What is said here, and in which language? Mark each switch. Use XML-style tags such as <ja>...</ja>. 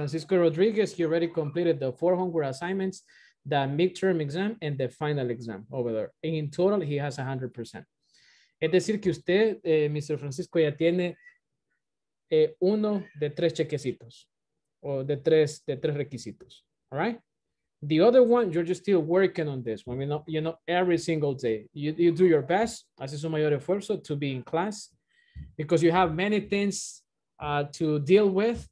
<en>Francisco Rodriguez, he already completed the four homework assignments, the midterm exam, and the final exam over there. In total, he has 100%.</en> <es>Es decir que usted,</es> <en>Mr.</en> <es>Francisco, ya tiene uno de tres chequecitos o de tres requisitos.</es> <en>All right. The other one, you're just still working on this one. You know, every single day you do your best.</en> <es>Haces un mayor esfuerzo</es> <en>to be in class because you have many things to deal with.</en>